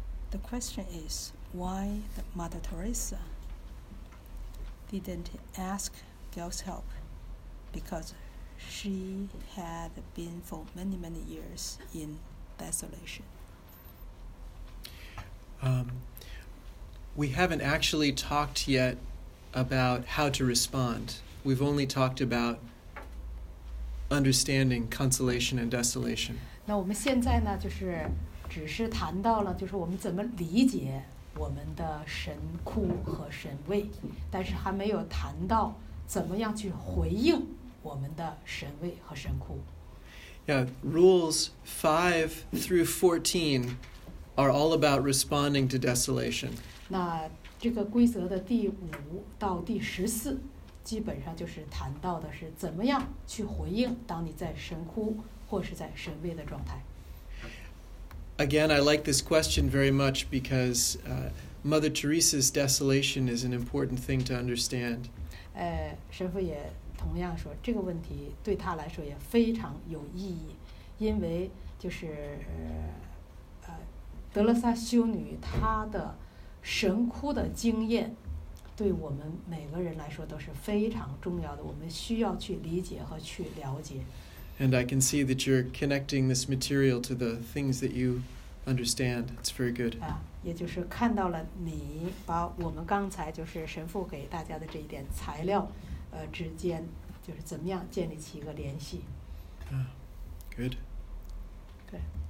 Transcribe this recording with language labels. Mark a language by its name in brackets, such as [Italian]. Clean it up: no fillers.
[English] The question is why Mother Teresa didn't ask God's help, because she had been for many, many years in desolation. We haven't actually talked yet about how to respond. We've only talked about understanding consolation and desolation. [Chinese] 那我们现在呢，就是只是谈到了就是我们怎么理解我们的神枯和神味，但是还没有谈到怎么样去回应我们的神味和神枯。 [English] Yeah, rules 5 through 14 are all about responding to desolation. [Chinese] 那这个规则的第五到第十四基本上就是谈到的是怎么样去回应当你在神枯或是在神味的状态。 [English] Again, I like this question very much because Mother Teresa's desolation is an important thing to understand. [Chinese] 神父也同样说，这个问题对他来说也非常有意义，因为就是德勒萨修女她的神枯的经验，对我们每个人来说都是非常重要的，我们需要去理解和去了解。 [English] And I can see that you're connecting this material to the things that you understand. It's very good. [Chinese] 啊，也就是看到了你把我们刚才就是神父给大家的这一点材料，之间就是怎么样建立起一个联系。 [English] Good. [Chinese] 对。